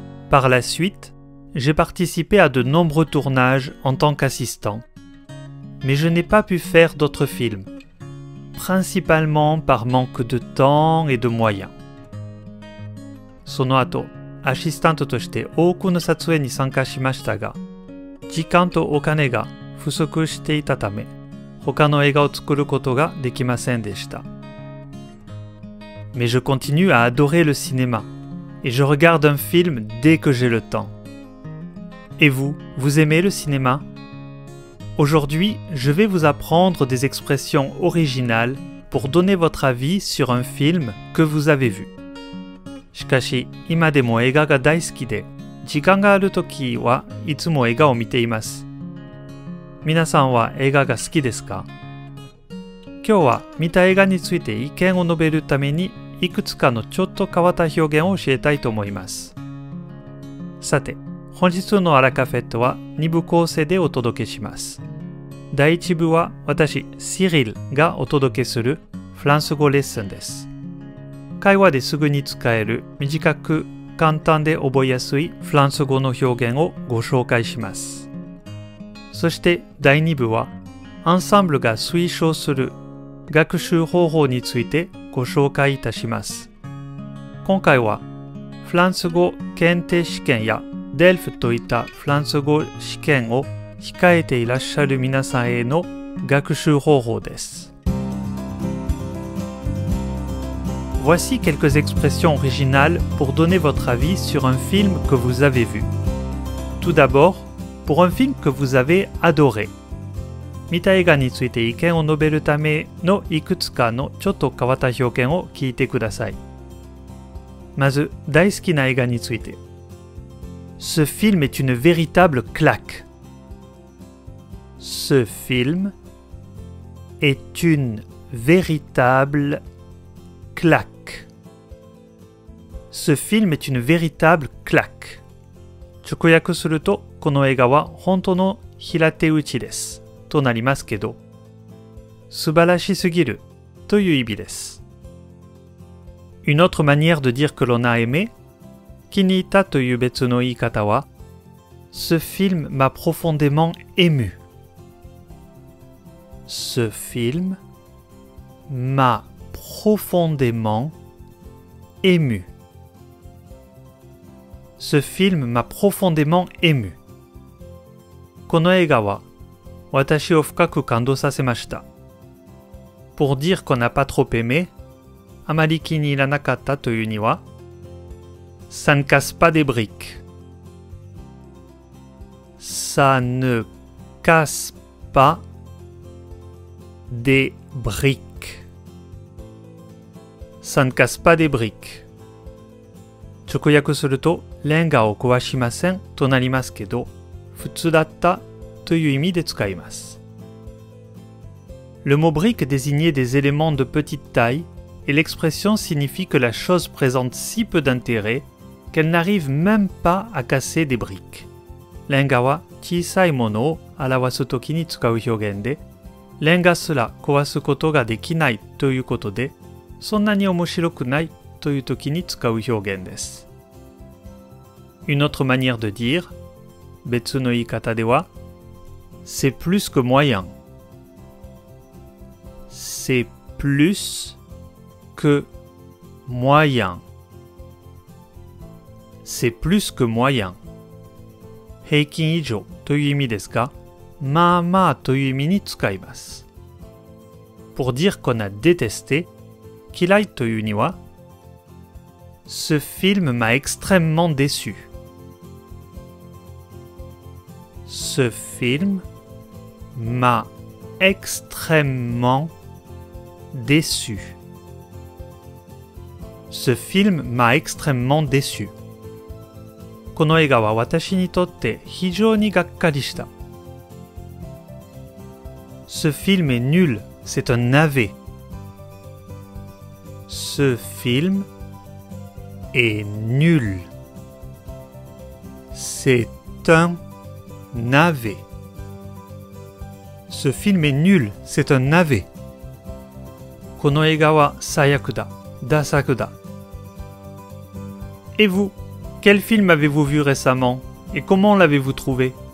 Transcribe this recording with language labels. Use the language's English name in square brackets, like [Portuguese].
[French] Par la suite, j'ai participé à de nombreux tournages en tant qu'assistant. Mais je n'ai pas pu faire d'autres films, principalement par manque de temps et de moyens. [Japanese] その後、アシスタントとして多くの撮影に参加しましたが、時間とお金が不足していたため、他の映画を作ることができませんでした。 [French] Mais je continue à adorer le cinéma et je regarde un film dès que j'ai le temps. Et vous, vous aimez le cinéma ? Aujourd'hui, je vais vous apprendre des expressions originales pour donner votre avis sur un film que vous avez vu. [Japanese] しかし、今でも映画が大好きで、時間があるときはいつも映画を見ています。皆さんは映画が好きですか？今日は見た映画について意見を述べるためにいくつかのちょっと変わった表現を教えたいと思います。さて、本日のアラカフェットは2部構成でお届けします。第1部は私、シリルがお届けするフランス語レッスンです。会話ですぐに使える短く簡単で覚えやすいフランス語の表現をご紹介します。そして第2部はアンサンブルが推奨する学習方法についてご紹介いたします。今回はフランス語検定試験やDELFといったフランス語試験を控えていらっしゃる皆さんへの学習方法です。 [French] Voici quelques expressions originales pour donner votre avis sur un film que vous avez vu. Tout d'abord, pour un film que vous avez adoré. [Japanese] 見た映画について意見を述べるためのいくつかのちょっと変わった表現を聞いてください。まず、大好きな映画について。 [French] Ce film est une véritable claque. Ce film est une véritable claque. Ce film est une véritable claque. [Japanese] 直訳すると、この映画は本当の平手打ちです。となりますけど、素晴らしすぎるという意味です。 [French] Une autre manière de dire que l'on a aimé? [Japanese] 気に入ったという別の言い方は、 [French] Ce film m'a profondément ému. Ce film m'a profondément ému. Ce film m'a profondément ému. [Japanese] この映画は、私を深く感動させました。 [French] Pour dire qu'on n'a pas trop aimé, [Japanese] あまり気に入らなかったというには、 [French] Ça ne casse pas des briques. Ça ne casse pas des briques. Ça ne casse pas des briques. [Japanese] 直訳すると、レンガを壊しませんとなりますけど、普通だったという意味で使います。 [French] Le mot brique désignait des éléments de petite taille et l'expression signifie que la chose présente si peu d'intérêt. Qu'elle n'arrive même pas à casser des briques. [Japanese] レンガは小さいものを表すときに使う表現で、レンガすら壊すことができないということで、そんなに面白くないというときに使う表現です。 [French] Une autre manière de dire, [Japanese] 別の言い方では、 [French] C'est plus que moyen. C'est plus que moyen. C'est plus que moyen. [Japanese] 平均以上という意味ですが、まあまあという意味に使います。 [French] Pour dire qu'on a détesté, [Japanese] 嫌いというには、 [French] Ce film m'a extrêmement déçu. Ce film m'a extrêmement déçu. Ce film m'a extrêmement déçu. [Japanese] この映画は私にとって非常にがっかりした。 [French] Ce film est nul, c'est un navet. Ce film est nul. C'est un navet. Ce film est nul, c'est un navet. [Japanese] この映画は最悪だ、ダサくだ。 [French] Et vous? Quel film avez-vous vu récemment et comment l'avez-vous trouvé?